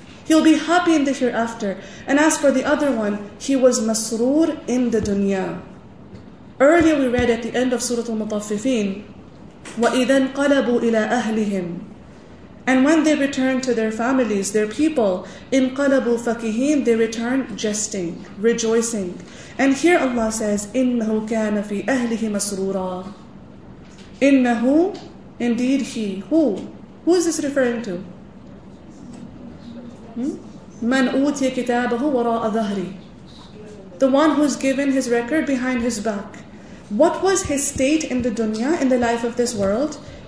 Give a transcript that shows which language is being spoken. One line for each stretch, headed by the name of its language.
English: He'll be happy in the hereafter. And as for the other one, he was masroor in the dunya. Earlier we read at the end of Surah Al-Mutaffifin,
Arabic: وَإِذَا انْقَلَبُوا إِلَىٰ أَهْلِهِمْ.
English: And when they return to their families, their people,
Arabic: انْقَلَبُوا فَكِهِينَ,
English: they return jesting, rejoicing. And here Allah says,
Arabic: إِنَّهُ كَانَ فِي أَهْلِهِ مَسْرُورًا. إِنَّهُ,
English: indeed he, who is this referring to?
Arabic: مَنْ أُوتِيَ كِتَابَهُ وَرَاءَ ظَهْرِ.
English: The one who's given his record behind his back. What was his state in the dunya, in the life of this world?